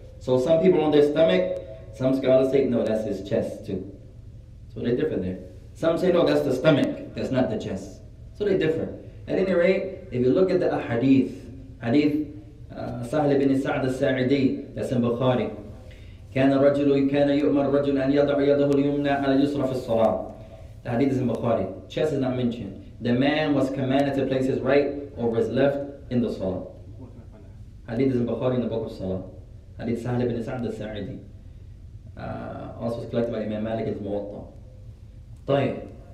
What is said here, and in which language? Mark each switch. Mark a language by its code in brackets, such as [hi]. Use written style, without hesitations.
[en] So some people on their stomach, some scholars say, no, that's his chest too. So they differ there. Some say, no, that's the stomach, that's not the chest. So they differ. At any rate, if you look at the hadith, Sahl ibn Sa'd al-Sa'idi, that's in Bukhari. [ar] كان الرجل كان يؤمر الرجل أن يضع يده اليمنى على اليسرى في الصلاة. [en] The hadith is in Bukhari. Chest is not mentioned. The man was commanded to place his right over his left in the salah. Hadith is in Bukhari in the book of Salah. Hadith Sahl ibn Sa'd al-Sa'idi. Also collected by Imam Malik as Muwatta. [ar] طيب.